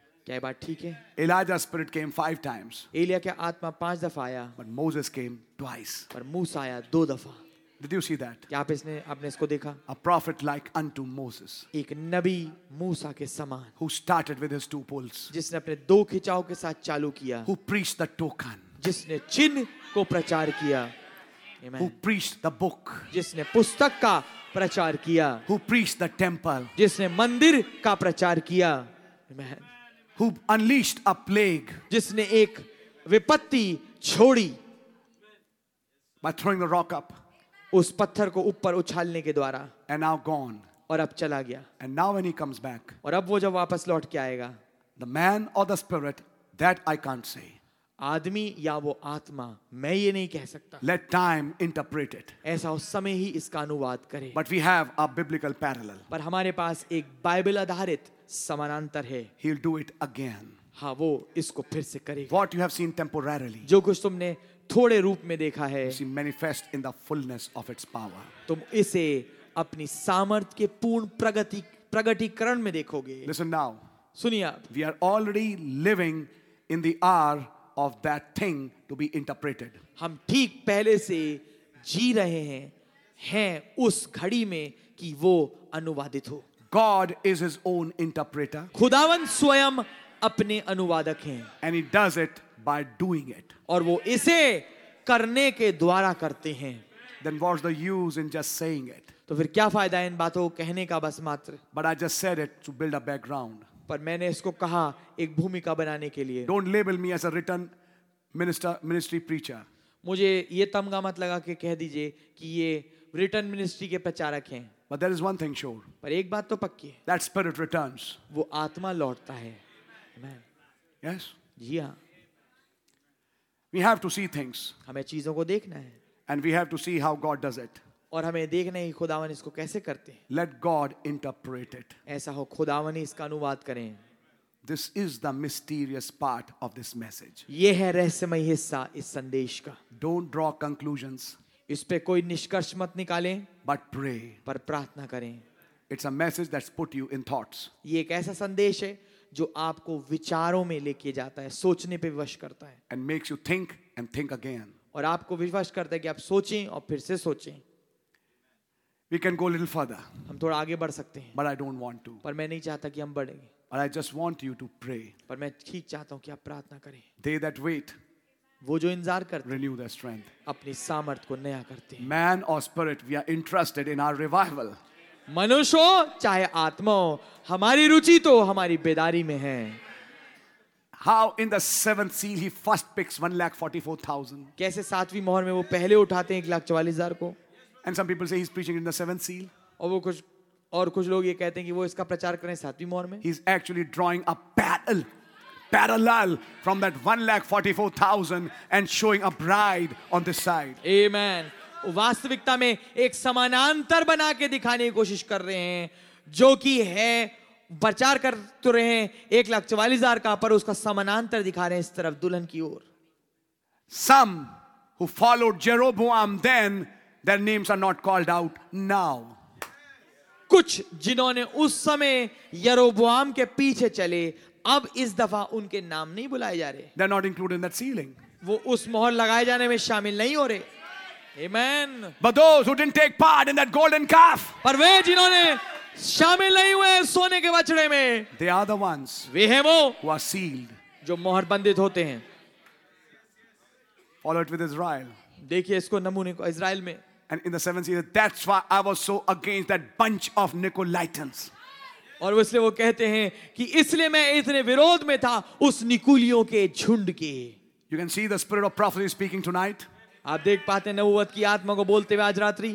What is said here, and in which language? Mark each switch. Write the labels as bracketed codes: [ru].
[hi] क्या ये बात ठीक है? [en] Elijah's spirit came 5 times. [hi] Elia का आत्मा 5 दफा आया, [en] but Moses came 2 times. [hi] पर मूसा आया 2 दफा. [en] Did you see that? [hi] क्या आपने इसको देखा? [en] A prophet like unto Moses. [hi] एक नबी मूसा के समान. [en] Who started with his 2 poles? [hi] जिसने अपने 2 खिंचाव के साथ चालू किया. [en] Who preached the token? [hi] जिसने चिन्ह को प्रचार किया. [en] Amen. Who preached the book? [hi] जिसने पुस्तक का प्रचार किया. [en] Who preached the temple? [hi] जिसने मंदिर का प्रचार किया. [en] Amen. Who unleashed a plague? [hi] जिसने एक विपत्ति छोड़ी. [en] By throwing the rock up. [hi] उस पत्थर को ऊपर उछालने के द्वारा. [en] And now gone. [hi] और अब चला गया. [en] And now when he comes back. [hi] और अब वो जब वापस लौट के आएगा. [en] The man or the spirit, that I can't say. [hi] आदमी या वो आत्मा मैं ये नहीं कह सकता. [en] Let time interpret it. [hi] ऐसा उस समय ही इसका अनुवाद करे. [en] But we have a biblical parallel. [hi] पर हमारे पास एक बाइबल आधारित समानांतर है. [en] He'll do it again. [hi] हाँ वो इसको फिर से करेगा. [en] What you have seen temporarily. [hi] जो कुछ तुमने थोड़े रूप में देखा है. [en] You see manifest in the fullness of its power. [hi] तुम इसे अपनी सामर्थ के पूर्ण प्रगटीकरण में देखोगे. [en] Listen now. [hi] सुनिए आप. [en] We are already living in the hour of that thing to be interpreted. [hi] हम ठीक पहले से जी रहे हैं, हैं उस घड़ी में कि वो अनुवादित हो. [en] God is his own interpreter. [hi] खुदावन स्वयं अपने अनुवादक हैं. [en] And he does it by doing it. [hi] और वो इसे करने के द्वारा करते हैं. [en] Then what's the use in just saying it? [hi] तो फिर क्या फायदा है इन बातों को कहने का बस मात्र? [en] But I just said it to build a background. [hi] पर मैंने इसको कहा एक भूमिका बनाने के लिए. [en] Don't label me as a written minister, ministry preacher. [hi] मुझे ये तमगा मत लगा के कह दीजिए कि ये [en] written ministry [hi] के प्रचारक हैं. [en] But there is one thing sure. [hi] पर एक बात तो पक्की है. [en] That spirit returns. [hi] वो आत्मा लौटता है. [en] Amen. Yes. [hi] जी हाँ. [en] We have to see things. [hi] हमें चीजों को देखना है. [en] And we have to see how God does it. [hi] और हमें देखना है खुदावन इसको कैसे करते हैं. [en] Let God interpret it. [hi] ऐसा हो खुदावन ही इसका अनुवाद करें. [en] This is the mysterious part of this message. [hi] ये है रहस्यमय हिस्सा इस संदेश का. [en] Don't draw conclusions. [hi] इस पे कोई निष्कर्ष मत निकालें. [en] But pray. [hi] पर प्रार्थना करें. [en] It's a message that's put you in thoughts. [hi] ये एक ऐसा संदेश है जो आपको विचारों में लेके जाता है, सोचने पे विवश करता है. [en] And makes you think and think again. [hi] और आपको विवश करता है कि आप सोचें और फिर से सोचें. [en] We can go a little further. [hi] हम थोड़ा आगे बढ़ सकते हैं. [en] But I don't want to. [hi] पर मैं नहीं चाहता कि हम बढ़ेंगे. [en] But I just want you to pray. [hi] पर मैं ठीक चाहता हूँ कि आप प्रार्थना करें. [en] They that wait. [hi] वो जो इंतजार करते हैं. [en] Renew their strength. [hi] अपनी सामर्थ को नया करते हैं. [en] Man or spirit, we are interested in our revival. [hi] मनुष्य चाहे आत्मा हमारी रुचि तो हमारी बेदारी में है. [en] How in the seventh seal he first picks 144,000. [hi] कैसे सातवीं मोहर में वो पहले उठाते हैं 144,000 को? [en] And some people say he's preaching in the seventh seal. [hi] और वो कुछ और कुछ लोग ये कहते हैं कि वो इसका प्रचार करें सातवीं मोहर में. [en] He's actually drawing a parallel from that 144,000 and showing a bride on this side. Amen. [hi] वास्तविकता में एक समानांतर बना के दिखाने की कोशिश कर रहे हैं जो कि है प्रचार कर तो रहे हैं 144,000 का पर उसका समानांतर दिखा रहे हैं इस तरफ दुल्हन की ओर. [en] Some who followed Jeroboam then their names are not called out now. [hi] कुछ जिन्होंने उस समय यरोबोआम के पीछे चले अब इस दफा उनके नाम नहीं बुलाए जा रहे. [en] They are not included in that sealing. [hi] वो उस मोहर लगाए जाने में शामिल नहीं हो रहे. [en] Amen. But those who didn't take part in that golden calf, [hi] पर वे जिन्होंने शामिल नहीं हुए सोने के बछड़े में, [en] they are the ones, [hi] वे हैं वो, [en] who are sealed, [hi] जो मोहर बंधित होते हैं. [en] Followed with Israel, [hi] देखिए इसको नमूने को इज़राइल में. [en] And in the seventh season, that's why I was so against that bunch of Nicolaitans. [hi] और इसलिए वो कहते हैं कि इसलिए मैं इतने विरोध में था उस निकुलियों के झुंड के. [en] You can see the spirit of prophecy speaking tonight. [hi] आप देख पाते हैं नबूवत की आत्मा को बोलते हुए आज रात्रि.